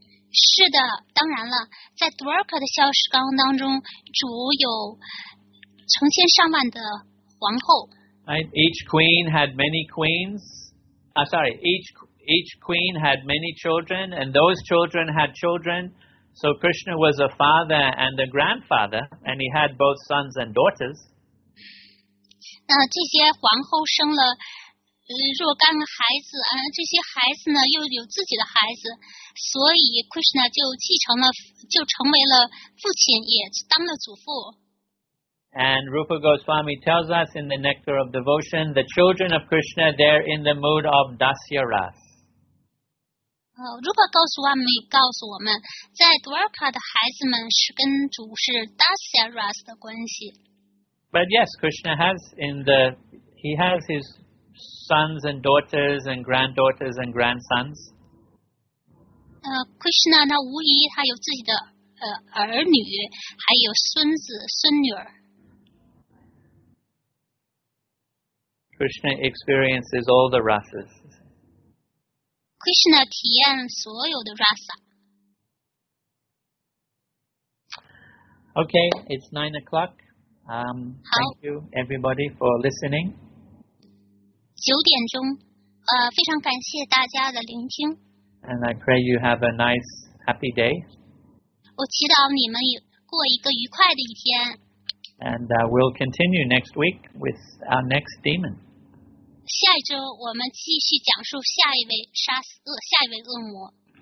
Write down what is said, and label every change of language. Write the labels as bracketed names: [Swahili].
[Chinese] 是的，当然了，在 Dwarka 的小时光当中，主有成千上万的皇后。 [English] Right. Each queen had many queens. Each queen had many children, and those children had children. So Krishna was a father and a grandfather, and he had both sons and daughters. [Chinese] 那这些皇后生了若干个孩子，这些孩子呢又有自己的孩子，所以 Krishna 就成为了父亲，也当了祖父。 [English] And Rupa Goswami tells us in the Nectar of Devotion, the children of Krishna, they're in the mood of Dasya Ras. [Chinese] Rupa Goswami 告诉我们，在 Dwarka 的孩子们是跟主是 Dasya Ras 的关系。 [English] But yes, Krishna has he has his sons and daughters and granddaughters and grandsons. [Chinese] Krishna 他无疑他有自己的儿女，还有孙子孙女儿。 [English] Krishna experiences all the rasas. [Chinese] Krishna 体验所有的 rasa. [English] Okay, it's 9 o'clock. Thank you everybody for listening. [Chinese] 9点钟，非常感谢大家的聆听。 [English] And I pray you have a nice, happy day. [Chinese] 我祈祷你们过一个愉快的一天。 [English] And we'll continue next week with our next demon. [Chinese] 下一周我们继续讲述下一位杀死恶下一位恶魔。